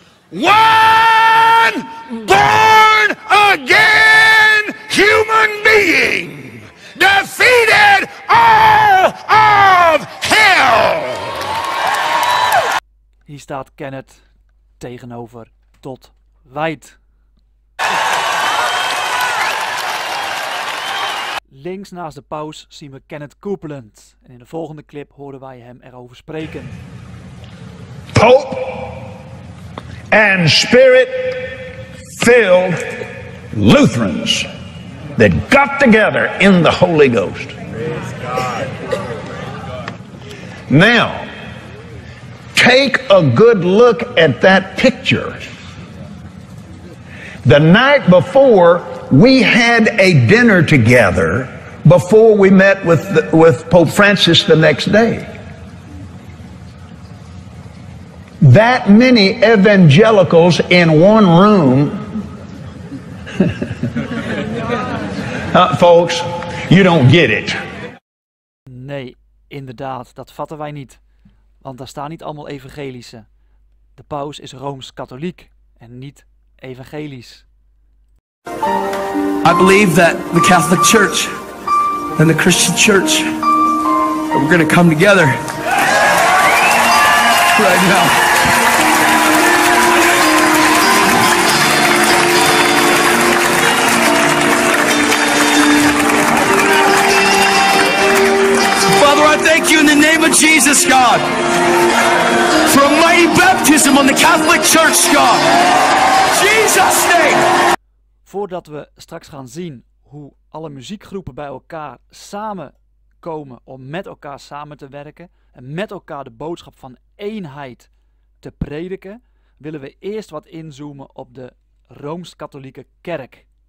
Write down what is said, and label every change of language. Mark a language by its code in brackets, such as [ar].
[en] One born again human being defeated all of hell! [nl] Hier staat Kenneth tegenover Todd White. Links naast de paus zien we Kenneth Copeland. En in de volgende clip horen wij hem erover spreken. [en] Pope and spirit-filled Lutherans that got together in the Holy Ghost. Now, take a good look at that picture. The night before, we had a dinner together before we met with Pope Francis the next day. That many evangelicals in one room. folks, you don't get it. [nl] Nee, inderdaad, dat vatten wij niet. Want daar staan niet allemaal evangelische. De paus is Rooms-Katholiek en niet evangelisch. [en] I believe that the Catholic Church and the Christian Church are going to come together right now. Father, I thank you in the name of Jesus, God, for a mighty baptism on the Catholic Church, God. Jesus' name. [nl] Voordat we straks gaan zien hoe alle muziekgroepen bij elkaar samenkomen om met elkaar samen te werken en met elkaar de boodschap van eenheid te prediken, willen we eerst wat inzoomen op de Rooms-Katholieke Kerk.